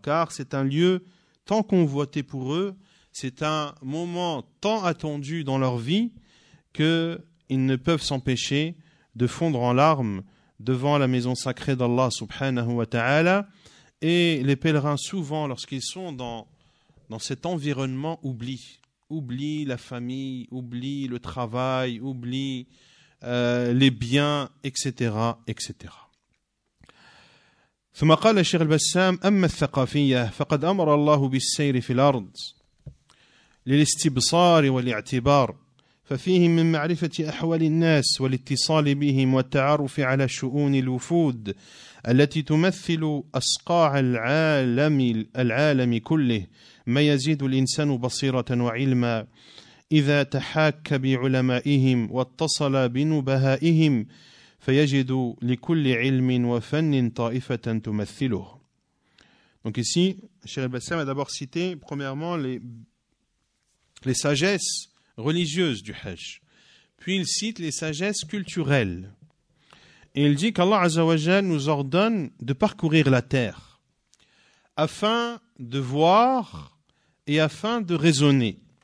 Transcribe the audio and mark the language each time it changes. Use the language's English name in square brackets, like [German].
[French] Car c'est un lieu tant convoité pour eux, c'est un moment tant attendu dans leur vie qu'ils ne peuvent s'empêcher de fondre en larmes devant la maison sacrée d'Allah subhanahu wa ta'ala. Et les pèlerins, souvent, lorsqu'ils sont dans cet environnement, oublient la famille, oublient le travail, oublient les biens, etc. etc. [Arabic] ثم قال الشيخ البسام أما الثقافية فقد أمر الله بالسير في الأرض للاستبصار والاعتبار ففيه من معرفة أحوال الناس والاتصال بهم والتعرف على شؤون الوفود التي تمثل أصقاع العالم كله ما يزيد الإنسان بصيرة وعلما إذا تحاك بعلمائهم واتصل بنبهائهم فيجد لكل علم وفن طائفة تمثله. [French] Donc ici, Cheikh Al-Bassam a d'abord cité premièrement les sagesses religieuses du Hajj. Puis il cite les sagesses culturelles. Et il dit qu'Allah Azzawajal nous ordonne de parcourir la terre afin de voir et afin de raisonner.